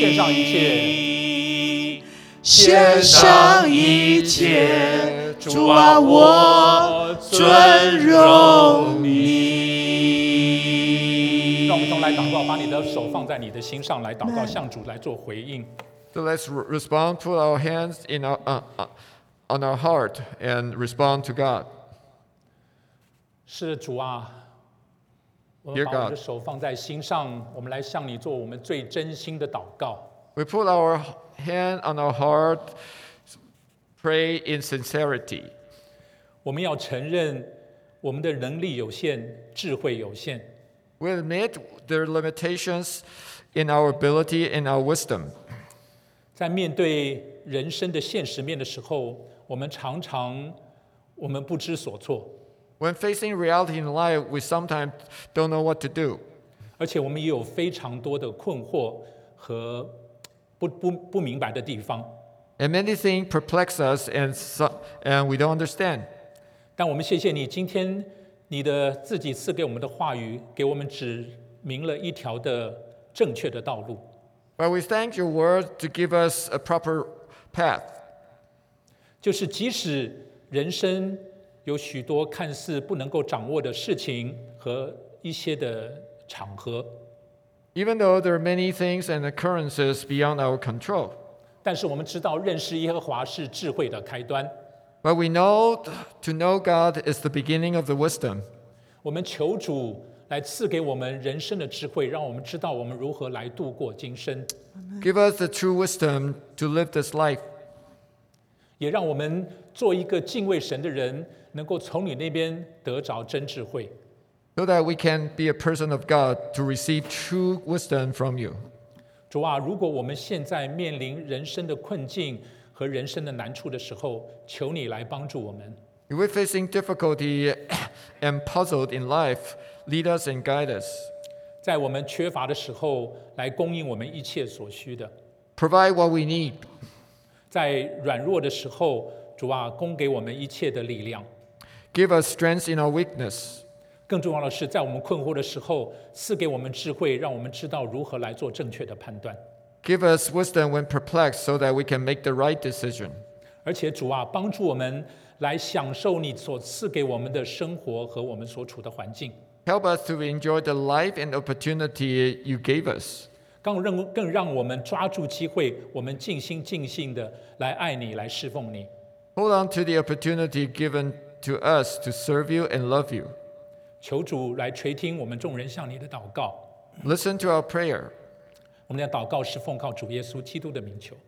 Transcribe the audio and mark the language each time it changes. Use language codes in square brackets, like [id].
[zh] 献上一切，献上一切。主啊，我尊荣你。让我们都来祷告，把你的手放在你的心上来祷告，向主来做回应。 [en] So let's respond, put our hands in our, on our heart and respond to God. [zh] 是主啊，我们把我们的手放在心上，我们来向你做我们最真心的祷告。 [en] We put our hand on our heart, pray in sincerity. [zh] 我们要承认我们的能力有限，智慧有限。 [en] We admit the limitations in our ability and our wisdom. [zh] 在面对人生的现实面的时候，我们常常我们不知所措。 [en] When facing reality in life, we sometimes don't know what to do. [zh] 而且我们也有非常多的困惑和 不明白的地方。 [en] And many things perplex us and we don't understand. [zh] 但我们谢谢你，今天你的自己赐给我们的话语，给我们指明了一条的正确的道路。 [en] Well, we thank your word to give us a proper path. [zh] 就是即使人生有许多看似不能够掌握的事情和一些的场合， [en] Even though there are many things and occurrences beyond our control. [zh] 但是我们知道认识耶和华是智慧的开端。 [en] But we know to know God is the beginning of the wisdom. [zh] 我们求主来赐给我们人生的智慧，让我们知道我们如何来度过今生。 [en] Give us the true wisdom to live this life. [zh] 也让我们做一个敬畏神的人，能够从你那边得着真智慧。 [en] So that we can be a person of God to receive true wisdom from you. [zh] 主啊，如果我们现在面临人生的困境和人生的难处的时候，求你来帮助我们。 [en] If we're facing difficulty and puzzled in life,Lead us and guide us. [zh] 在我们缺乏的时候，来供应我们一切所需的。 [en] Provide what we need. [zh] 在软弱的时候，主啊，供给我们一切的力量。 [en] Give us strength in our weakness. [zh] 更重要的是，在我们困惑的时候，赐给我们智慧，让我们知道如何来做正确的判断。 [en] Give us wisdom when perplexed so that we can make the right decision. [zh] 而且主啊，帮助我们来享受你所赐给我们的生活和我们所处的环境。 [en] Help us to enjoy the life and opportunity you gave us. [zh] 更让我们抓住机会，我们尽心尽性的来爱你，来侍奉你。 [en] Hold on to the opportunity given to us to serve you and love you. [zh] 求主来垂听我们众人向你的祷告。 [en] Listen to our prayer. [zh] 我们的祷告是奉靠主耶稣基督的名求。